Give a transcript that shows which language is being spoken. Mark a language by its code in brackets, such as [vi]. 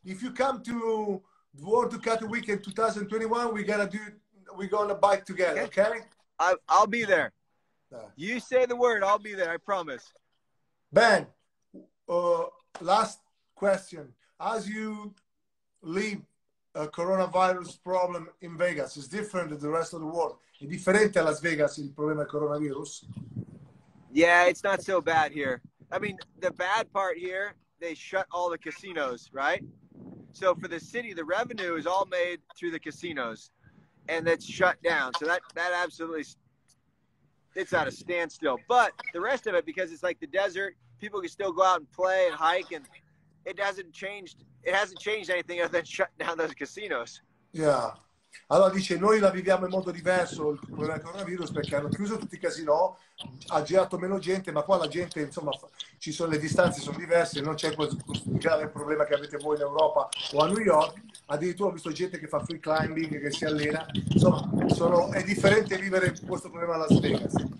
[en] If you come to World Ducati Weekend 2021, we're gonna bike together, okay? I'll be there. You say the word, I'll be there. I promise. Ben, last question. As you... leave a coronavirus problem in Vegas is different than the rest of the world. [it] È differente a Las Vegas il problema del coronavirus? [en] Yeah, it's not so bad here. I mean, the bad part here, they shut all the casinos, right? So for the city, the revenue is all made through the casinos and that's shut down. So that absolutely, it's at a standstill. But the rest of it, because it's like the desert, people can still go out and play and hike and it hasn't changed anything other than shut down those casinos. Yeah. [it] Allora dice, noi la viviamo in modo diverso con il coronavirus perché hanno chiuso tutti i casinò, ha girato meno gente, ma qua la gente, insomma, ci sono le distanze, sono diverse, non c'è questo grave problema che avete voi in Europa o a New York. Addirittura ho visto gente che fa free climbing, che si allena. Insomma, è differente vivere questo problema a Las Vegas.